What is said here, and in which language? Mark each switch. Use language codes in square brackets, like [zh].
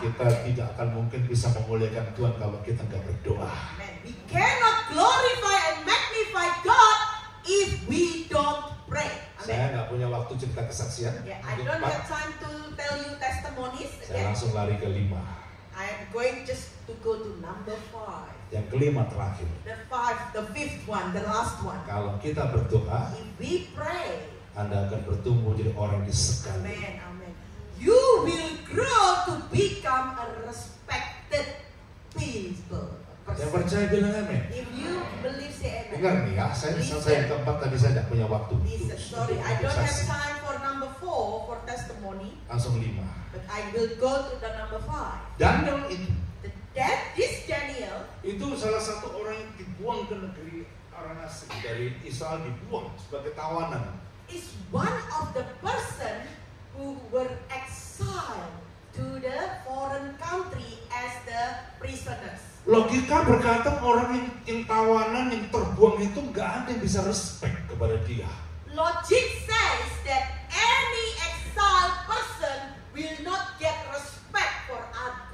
[id] Kita tidak akan mungkin bisa memuliakan Tuhan kalau kita enggak berdoa. Amen. [en] We cannot glorify and magnify God if we don't pray. Amen. [id] Saya enggak punya waktu cerita kesaksian. [en] Yeah, I don't have time to tell you testimonies. [id] Saya langsung lari ke lima. [en] I'm going just to go to number 5. [id] Yang kelima terakhir. [en] The fifth one. [id] Kalau kita berdoa, [en] if we pray, [id] Anda akan bertumbuh jadi orang disegani. Amen, amen. [en] You will grow to become a respected people. [id] Yang percaya bilang amin. [en] If you believe, say amen. [id] Dengar nih ya, saya [en] listen. [id] Selesai yang keempat tadi saya tidak punya waktu. [en] Sorry, I don't have time for number 4 for testimony. [id] Langsung 5. [en] But I will go to the number 5. [id] Daniel itu. [en] This Daniel. [id] Itu salah satu orang yang dibuang ke negeri Aranasi dari Israel, dibuang sebagai tawanan. [en] Is one of the person who were exiled to the foreign country as the prisoners. [id] Logika berkata orang yang tawanan yang terbuang itu enggak ada yang bisa respect kepada dia. [en] Logic says that any exiled person will not get respect for others.